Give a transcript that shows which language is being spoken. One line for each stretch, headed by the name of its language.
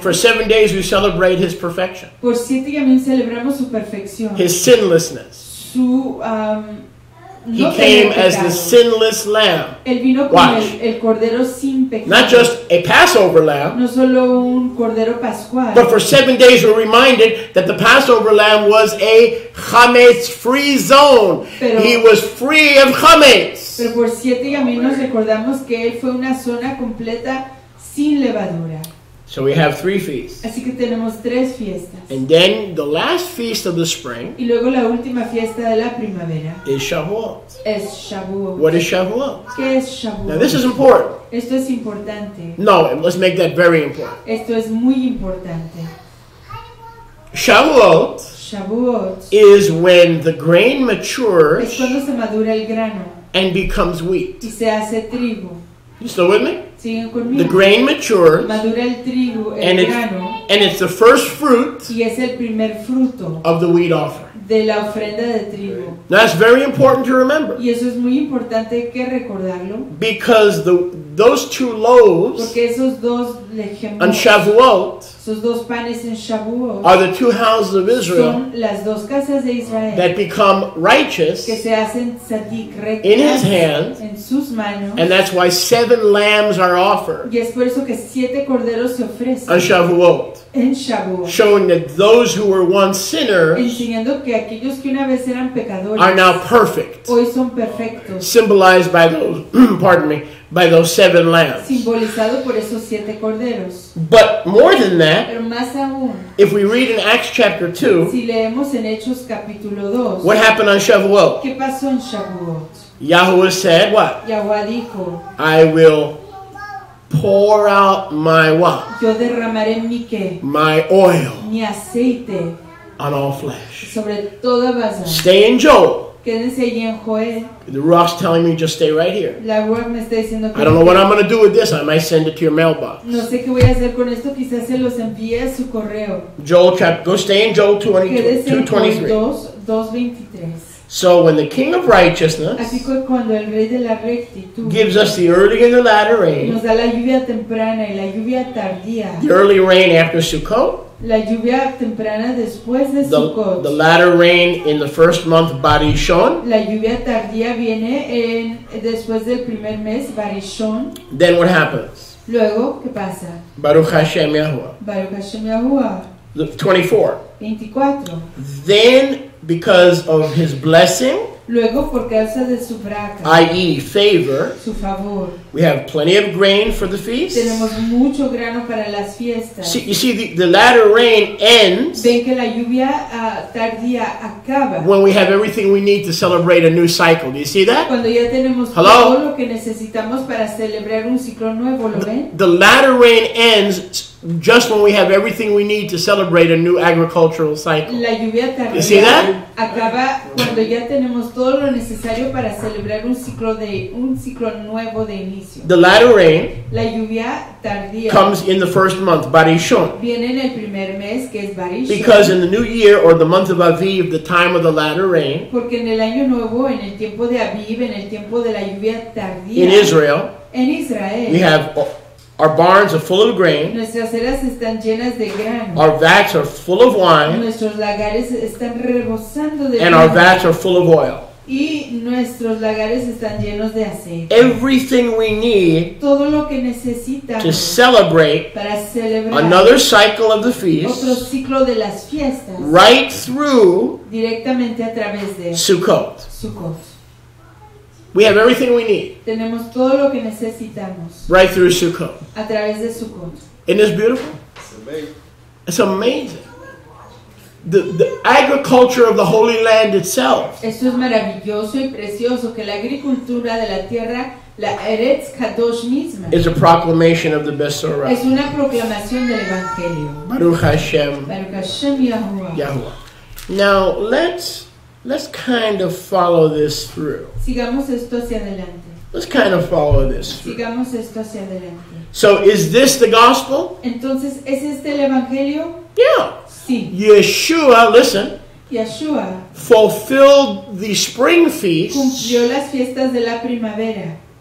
English: For 7 days we celebrate his perfection.
Spanish: Por 7 días celebramos su perfección.
English: His sinlessness.
Spanish: Su,
English: he came as the sinless lamb.
Spanish: El vino
English: Watch.
Spanish: Con el cordero sin pecado.
English: Not just a Passover lamb.
Spanish: No solo un cordero pascual.
English: But for 7 days we're reminded that the Passover lamb was a chametz free zone.
Spanish: Pero,
English: he was free of chametz.
Spanish: Pero por 7 días nos recordamos que él fue una zona completa sin levadura.
English: So we have three feasts.
Spanish: Así que tenemos tres fiestas.
English: And then the last feast of the spring.
Spanish: Y luego la última fiesta de la primavera.
English: Is Shavuot.
Spanish: Es Shavuot.
English: What is Shavuot?
Spanish: ¿Qué es Shavuot?
English: Now this is important.
Spanish: Esto es importante.
English: No, let's make that very important.
Spanish: Esto es muy importante.
English: Shavuot.
Spanish: Shavuot.
English: Is when the grain matures.
Spanish: Es cuando se madura el grano.
English: And becomes wheat.
Spanish: Y se hace trigo.
English: You still with me?
Spanish: Conmigo.
English: The grain matures,
Spanish: madura el trigo, el grano,
English: and it's the first fruit,
Spanish: y es el primer fruto,
English: of the wheat offer,
Spanish: de la ofrenda de trigo.
English: That's very important to remember,
Spanish: y eso es muy importante que recordarlo,
English: because those two loaves,
Spanish: porque esos dos lejemos,
English: on Shavuot,
Spanish: esos dos panes en Shavuot,
English: are the two houses of Israel,
Spanish: son las dos casas de Israel,
English: that become righteous,
Spanish: que se hacen tzadik rectas,
English: in his hand,
Spanish: en sus manos,
English: and that's why seven lambs are offered,
Spanish: y es por eso que siete corderos se ofrecen,
English: on Shavuot,
Spanish: en Shavuot,
English: showing that those who were once sinners,
Spanish: enseñando que aquellos que una vez eran pecadores,
English: are now perfect,
Spanish: hoy son perfectos,
English: symbolized by those, pardon me, by those seven lambs.
Spanish: Simbolizado por esos siete corderos.
English: But more than that,
Spanish: pero más aún,
English: if we read in Acts chapter 2,
Spanish: si leemos en Hechos capítulo 2,
English: what happened on Shavuot?
Spanish: ¿Qué pasó en Shavuot?
English: Yahuwah said what?
Spanish: Yahuwah dijo,
English: I will pour out my what?
Spanish: Yo derramaré mi qué?
English: My oil.
Spanish: Mi aceite.
English: On all flesh.
Spanish: Sobre toda base.
English: Stay in Joel.
Spanish: Quédense ahí en Joel.
English: The rock's telling me just stay right here.
Spanish: La rock me está diciendo que
English: I don't know what I'm going to do with this. I might send it to your mailbox.
Spanish: No sé qué voy a hacer con esto. Quizás se los envíe a su correo.
English: Joel chapter. Go stay in Joel 2:23. So when the King of Righteousness,
Spanish: así que cuando el Rey de la Rectitud,
English: gives us the early and the latter rain,
Spanish: nos da la lluvia temprana y la lluvia tardía,
English: the early rain after Sukkot,
Spanish: la lluvia temprana después de Sukkot,
English: the latter rain in the first month Barishon,
Spanish: la lluvia tardía viene en después del primer mes Barishon,
English: then what happens?
Spanish: Luego, ¿qué pasa?
Hebrew: Baruch Hashem Yahuwah. Baruch Hashem Yahuwah.
English: 24. Then, because of his blessing,
Spanish: luego, por causa de su braca,
English: i.e. favor,
Spanish: su favor,
English: we have plenty of grain for the feast.
Spanish: Tenemos mucho grano para las fiestas.
English: See, you see, the latter rain ends,
Spanish: ven que la lluvia, tardía acaba,
English: when we have everything we need to celebrate a new cycle. Do you see that?
Spanish: Cuando ya tenemos,
English: hello?
Spanish: Todo lo que necesitamos para celebrar un ciclo nuevo, ¿lo ven?
English: The latter rain ends just when we have everything we need to celebrate a new agricultural cycle.
Spanish: La lluvia tardía,
English: you see that?
Spanish: Acaba cuando ya tenemos todo lo necesario para celebrar un ciclo nuevo de inicio.
English: The latter rain,
Spanish: la lluvia tardía,
English: comes in the first month, Barishon.
Spanish: Viene en el primer mes, que es Barishon.
English: Because in the new year or the month of Aviv, the time of the latter rain,
Spanish: porque en el año nuevo, en el tiempo de Aviv, en el tiempo de la lluvia tardía,
English: in Israel,
Spanish: en Israel,
English: we have our barns are full of grain.
Spanish: Nuestras eras están llenas de grano.
English: Our vats are full of wine.
Spanish: Nuestros lagares están rebosando de
English: and
Spanish: vino.
English: Our vats are full of oil.
Spanish: Y nuestros lagares están llenos de aceite.
English: Everything we need,
Spanish: todo lo que necesitamos,
English: to celebrate,
Spanish: para celebrar
English: another cycle of the feast,
Spanish: otro ciclo de las fiestas,
English: right through
Spanish: directamente a través de
English: Sukkot.
Spanish: Sukkot.
English: We have everything we need.
Spanish: Tenemos todo lo que necesitamos.
English: Right through Sukkot.
Spanish: A través de Sukkot.
English: Isn't this beautiful? It's amazing. It's amazing. The agriculture of the Holy Land itself.
Spanish: Esto es maravilloso y precioso, que la agricultura de la tierra, la
Hebrew: Eretz Kadosh
Spanish: misma,
English: is a proclamation of the Besorah.
Spanish: Es una proclamación del Evangelio.
Hebrew: Baruch Hashem. Baruch Hashem Yahuwah. Yahuwah.
English: Now, let's kind of follow this through.
Spanish: Sigamos esto hacia adelante.
English: Let's kind of follow this through.
Spanish: Sigamos esto hacia adelante.
English: So is this the gospel?
Spanish: Entonces, ¿es este el evangelio?
English: Yeah.
Spanish: Sí.
English: Yeshua, listen.
Spanish: Yeshua
English: fulfilled the spring feast.
Spanish: Cumplió las fiestas de la primavera.